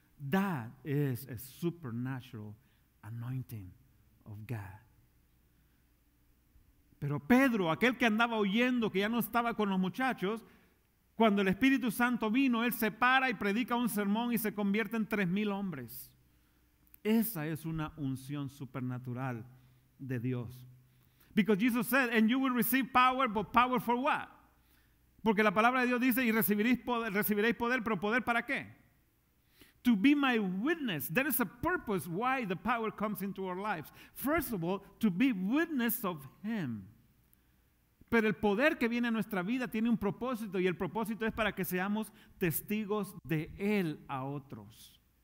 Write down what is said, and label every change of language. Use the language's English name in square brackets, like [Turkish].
[English] That is a supernatural anointing of God. [Spanish] Pero Pedro, aquel que andaba huyendo, que ya no estaba con los muchachos, cuando el Espíritu Santo vino, él se para y predica un sermón y se convierte en 3,000 hombres. Esa es una unción supernatural de Dios. [English] Because Jesus said, and you will receive power, but power for what? [Spanish] Porque la palabra de Dios dice, y recibiréis poder, pero ¿poder para qué? [English] To be my witness. There is a purpose why the power comes into our lives. First of all, to be witness of him. [Spanish] Pero el poder que viene a nuestra vida tiene un propósito, y el propósito es para que seamos testigos de él a otros.